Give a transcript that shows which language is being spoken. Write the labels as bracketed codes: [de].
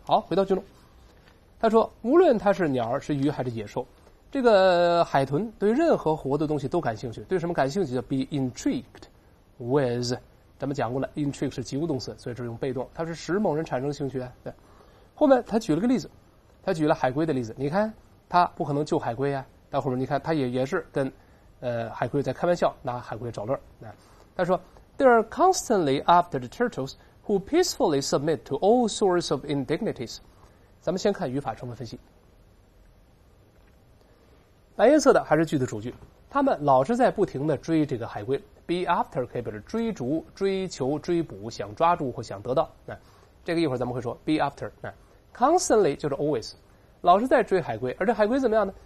[zh] 好，回到句中，他说无论他是鸟是鱼还是野兽，这个海豚对任何活的东西都感兴趣，对什么感兴趣叫 [en] be intrigued with， [zh] 咱们讲过了 intrigue 是及物动词，所以这是用被动，它是使某人产生兴趣。对，后面他举了个例子，他举了海龟的例子，你看他不可能救海龟啊，到后面你看他也是跟海龟在开玩笑，拿海龟找乐。他说 [en] they are constantly after the turtles who peacefully submit to all sorts of indignities。 [zh] 咱们先看语法成分分析，白颜色的还是句的主句，他们老是在不停的追这个海龟， [en] be after [zh] 可以表示追逐、追求、追捕，想抓住或想得到。这个一会儿咱们会说 [en] be after。 [zh] constantly 就是 always， 老是在追海龟，而这海龟怎么样呢？